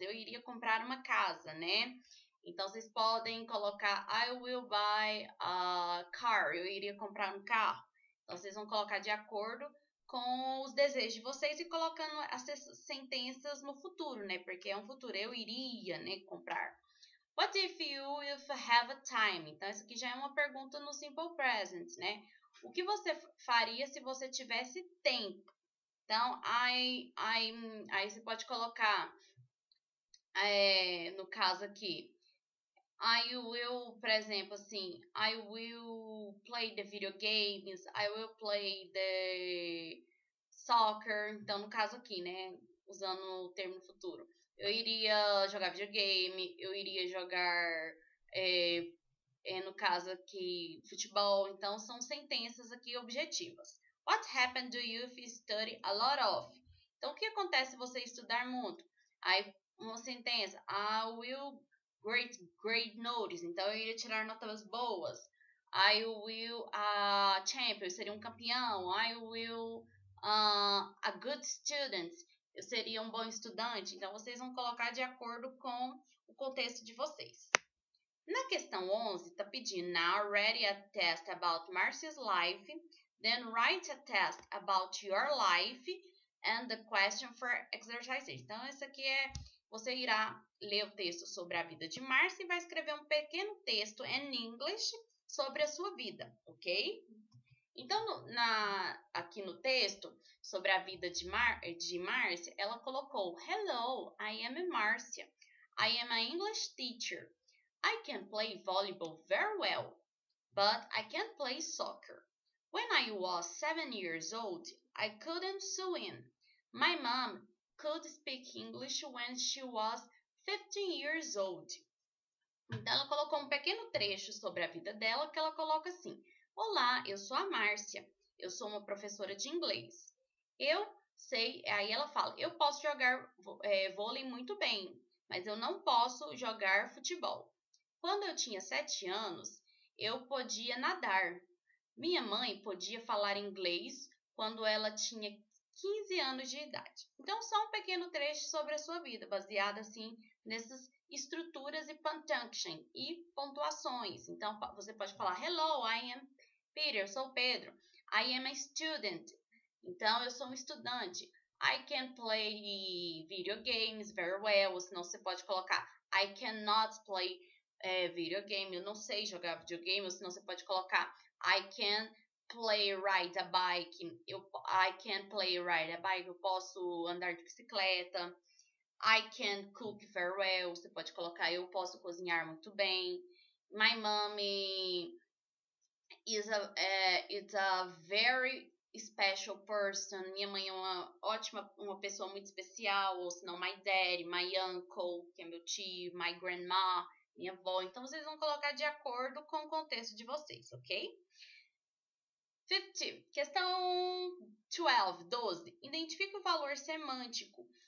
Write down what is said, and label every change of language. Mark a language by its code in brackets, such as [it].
[pt] Eu iria comprar uma casa, né? Então, vocês podem colocar, [en] I will buy a car, [pt] eu iria comprar um carro. Então, vocês vão colocar de acordo com os desejos de vocês e colocando as sentenças no futuro, né? Porque é um futuro, eu iria, né, comprar. [en] What if you if have a time? [pt] Então, isso aqui já é uma pergunta no simple present, né? O que você faria se você tivesse tempo? Então, aí você pode colocar, no caso aqui, I will, por exemplo, assim, [en] I will play the video games, I will play the soccer. [pt] Então, no caso aqui, né, usando o termo futuro. Eu iria jogar videogame, eu iria jogar, no caso aqui, futebol. Então, são sentenças aqui objetivas. [en] What happened to you if you study a lot of? [pt] Então, o que acontece se você estudar muito? Aí, uma sentença, [en] I will great notice, [pt] então eu iria tirar notas boas. [en] I will a champion, [pt] eu seria um campeão. [en] I will a good student, [pt] eu seria um bom estudante. Então, vocês vão colocar de acordo com o contexto de vocês. Na questão 11, está pedindo, [en] now write a test about Marcia's life, then write a test about your life and the question for exercise. [pt] Então, isso aqui é, você irá ler o texto sobre a vida de Márcia e vai escrever um pequeno texto [en] in English [pt] sobre a sua vida, ok? Então, aqui no texto sobre a vida de Márcia, ela colocou, [en] hello, I am Márcia. I am an English teacher. I can play volleyball very well, but I can't play soccer. When I was 7 years old, I couldn't swim. My mom could speak English when she was 15 years old. [pt] Então, ela colocou um pequeno trecho sobre a vida dela, que ela coloca assim, olá, eu sou a Márcia, eu sou uma professora de inglês. Eu sei, aí ela fala, eu posso jogar vôlei muito bem, mas eu não posso jogar futebol. Quando eu tinha 7 anos, eu podia nadar. Minha mãe podia falar inglês quando ela tinha 15 anos de idade. Então, só um pequeno trecho sobre a sua vida, baseado, assim, nessas estruturas e punctuation e pontuações. Então, você pode falar, [en] hello, I am Peter, [pt] eu sou Pedro. [en] I am a student. [pt] Então, eu sou um estudante. [en] I can play video games very well. [pt] Ou senão, você pode colocar, [en] I cannot play video game. [pt] Eu não sei jogar videogame. Ou senão, você pode colocar, [en] I can play ride a bike, I can play ride a bike, [pt] eu posso andar de bicicleta, [en] I can cook very well, [pt] você pode colocar, eu posso cozinhar muito bem, [en] my mommy is a very special person. [pt] Minha mãe é uma ótima, uma pessoa muito especial. Ou senão, [en] my daddy, my uncle, [pt] que é meu tio, [en] my grandma, [pt] minha avó. Então, vocês vão colocar de acordo com o contexto de vocês, ok? 50. Questão 12. Identifique o valor semântico.